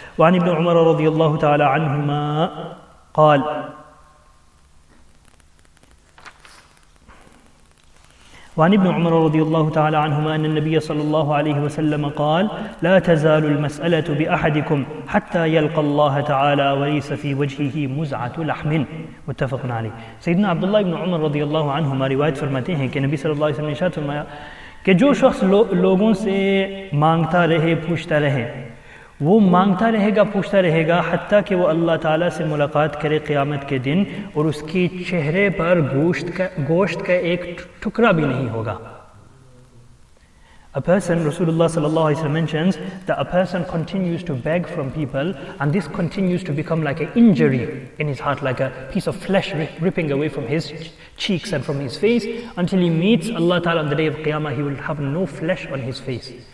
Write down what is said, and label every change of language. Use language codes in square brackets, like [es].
[ar] وعن ابن عمر رضي الله تعالى عنهما قال وعن ابن عمر رضي الله تعالى عنهما أن النبي صلى الله عليه وسلم قال لا تزال المسألة بأحدكم حتى يلقى الله تعالى وليس في وجهه مزعة لحم. متفق عليه. [ur] سيدنا عبد الله بن عمر رضي الله عنهما روايت فرماتے ہیں کہ نبی صلى الله عليه وسلم نے ارشاد فرمایا کہ جو شخص لوگوں سے مانگتا رہے پوچھتا رہے وہ مانگتا رہے گا پوچھتا رہے گا حتیٰ کہ وہ اللہ تعالیٰ سے ملاقات کرے قیامت کے دن اور اس کی چہرے پر گوشت کا ایک ٹکڑا بھی نہیں ہوگا. [en] A person, Rasulullah sallallahu alayhi wa sallam mentions that a person continues to beg from people and this continues to become like an injury in his heart, like a piece of flesh ripping away from his cheeks and from his face until he meets Allah Ta'ala on the day of Qiyamah, he will have no flesh on his face.